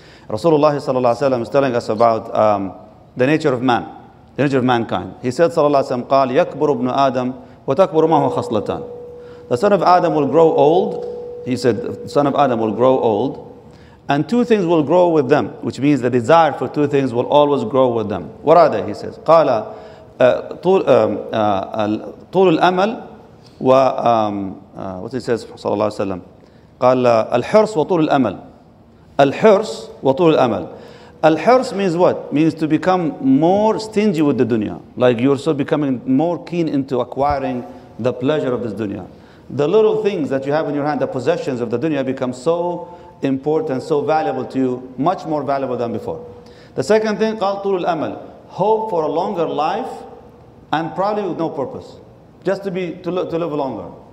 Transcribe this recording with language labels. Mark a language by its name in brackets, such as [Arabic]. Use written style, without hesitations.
[English] Rasulullah sallallahu alayhi wa sallam is telling us about the nature of man, the nature of mankind. He said, sallallahu alayhi wa sallam, قال, [Arabic] يَكْبُرُ ابْنُ آدَمُ وَتَكْبُرُ مَهُ خَصْلَتَانِ [English] The son of Adam will grow old, He said, the son of Adam will grow old, and two things will grow with them, which means the desire for two things will always grow with them. What are they? He says, [Arabic] قَالَ طُولُ الْأَمَلِ wa [English] what he says, [Arabic] صلى الله عليه وسلم, قَالَ الْحِرْصُ وَطُولُ الْأَمَلِ الْحِرْصُ وَطُولُ الْأَمَلِ الْحِرْصُ [English] means what? Means to become more stingy with the dunya, like you're so becoming more keen into acquiring the pleasure of this dunya. The little things that you have in your hand, the possessions of the dunya, become so important, so valuable to you, much more valuable than before. The second thing, [Arabic] قال طول الأمل, [English] hope for a longer life and probably with no purpose, just to live longer.